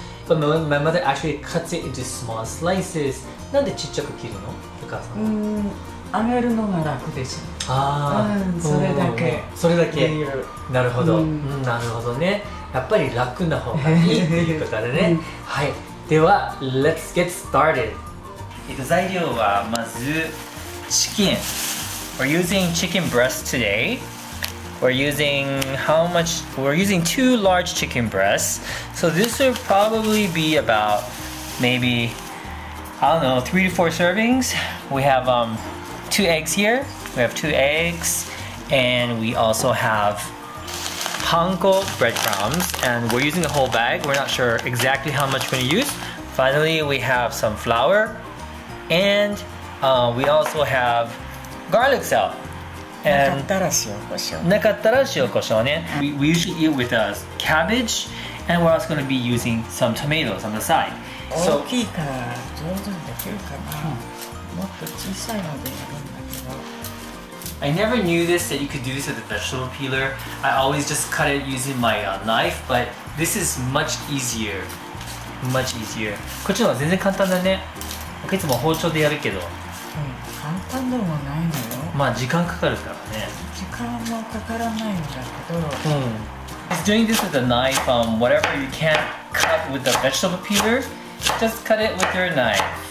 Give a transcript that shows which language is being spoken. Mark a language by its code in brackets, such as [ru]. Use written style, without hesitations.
[en] But my mother actually cuts it into small slices. [ja] なんでちっちゃく切るの、お母さん？うん、揚げるのが楽でしょ。ああ、それだけ。それだけ。なるほど。なるほどね。やっぱり楽な方がいいっていうことだね。はい。では、 [en] Let's get started. [ja] 材料はまずチキン。 [en] We're using chicken breast today. We're using two large chicken breasts. So this will probably be about maybe, I don't know, 3 to 4 servings. We have two eggs here. We have two eggs. And we also have panko breadcrumbs. And we're using a whole bag. We're not sure exactly how much we're going to use. Finally, we have some flour. And we also have... Garlic salt. [ja] And なかったら塩コショウ。なかったら塩コショウね。 [en] We usually eat with cabbage, and we're also going to be using some tomatoes on the side. [ja] 大きいから上手にできるかな。もっと小さいのでやるんだけど。 [en] I never knew this, that you could do this with a vegetable peeler. I always just cut it using my knife, but this is much easier. Much easier. [ja] こっちの方が全然簡単だね。僕いつも包丁でやるけど。簡単でもないのよ。まあ時間かかるからね。時間もかからないんだけど。 [en] Just doing this with a knife, whatever you can't cut with a vegetable peeler, just cut it with your knife.